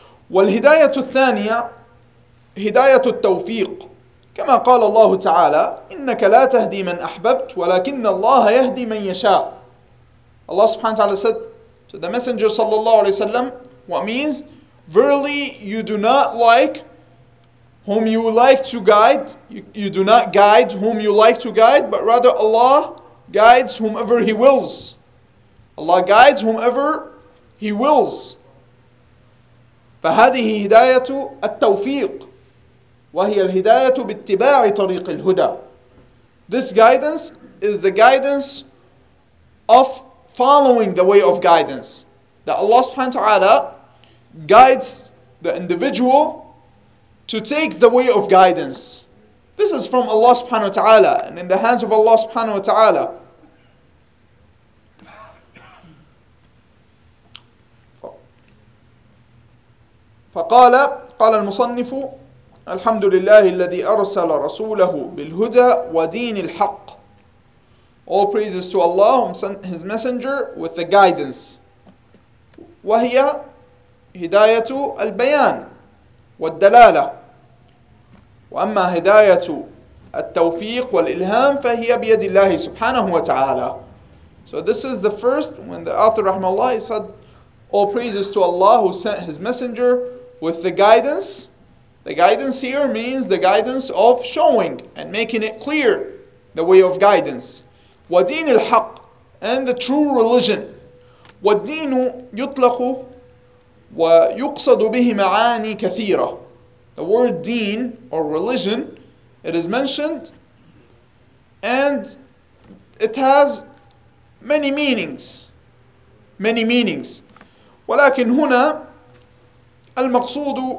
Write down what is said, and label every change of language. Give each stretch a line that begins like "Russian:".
Arabic: والهداية الثانية هداية التوفيق كما قال الله تعالى إنك لا تهدي من أحببت ولكن الله يهدي من يشاء الله سبحانه وتعالى said So the Messenger sallallahu alayhi wa sallam, what means?
English: Verily, you do not like whom you like to guide. You do not guide whom you like to guide, but rather Allah guides whomever He wills. Allah guides whomever He wills.
Arabic: فهذه هداية التوفيق وهي الهداية باتباع طريق الهدى.
English: This guidance is the guidance of following the way of guidance. That Allah subhanahu wa ta'ala guides the individual to take the way of guidance. This is from Allah subhanahu wa ta'ala and in the hands of Allah subhanahu wa ta'ala.
Arabic: فقال قال المصنف الحمد لله الذي أرسل رسوله بالهدى ودين الحق All praises to Allah, whom sent His Messenger, with the guidance. وهي هداية البيان والدلالة. وأما هداية التوفيق والإلهام فهي بيد الله سبحانه وتعالى.
English: So this is the first, when the author, رحمه الله, said, All praises to Allah, who sent His Messenger, with the guidance. The guidance here means the guidance of showing and making it clear the way of guidance. ودين الحق and the true religion والدين يطلق ويقصد به معاني كثيرة the word deen or religion it is mentioned and it has many meanings ولكن هنا المقصود